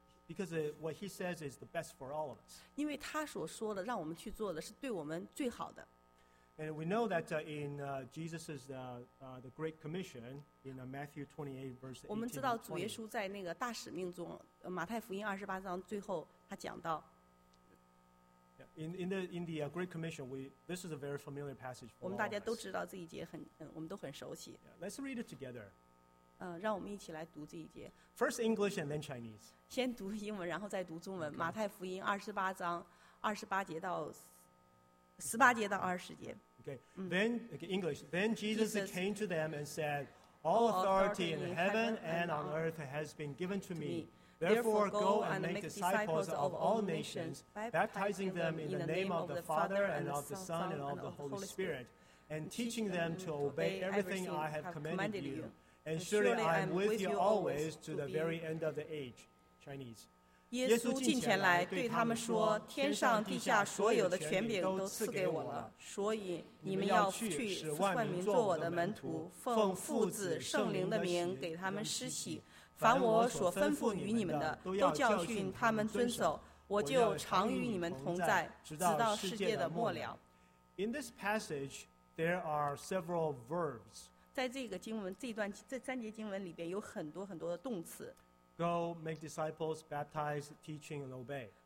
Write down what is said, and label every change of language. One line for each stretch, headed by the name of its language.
English: Because what he says is the best for all of us.
Chinese: 因为他所说的让我们去做的是对我们最好的。
English: And we know that in Jesus's the Great Commission in Matthew 28 verse 18.
Chinese: 我们知道主耶稣在那个大使命中，马太福音二十八章最后他讲到。
English: In the Great Commission, this is a very familiar passage.
Chinese: 我们大家都知道这一节很，我们都很熟悉。
English: Let's read it together.
Chinese: 让我们一起来读这一节。
English: First English and then Chinese.
Chinese: 先读英文，然后再读中文。马太福音二十八章二十八节到。
English: Okay, English. Then Jesus came to them and said, All authority in heaven and on earth has been given to me. Therefore, go and make disciples of all nations, baptizing them in the name of the Father and of the Son and of the Holy Spirit, and teaching them to obey everything I have commanded you. And surely I am with you always to the very end of the age. Chinese.
Chinese: 耶稣近前来对他们说，天上地下所有的权柄都赐给我了，所以你们要去使万民做我的门徒，奉父子圣灵的名给他们施洗，凡我所吩咐与你们的都教训他们遵守，我就常与你们同在，直到世界的末了。
English: In this passage there are several verbs.
Chinese: 在这个经文这段这三节经文里边有很多很多的动词。
English: Go, make disciples, baptize, teaching, and obey.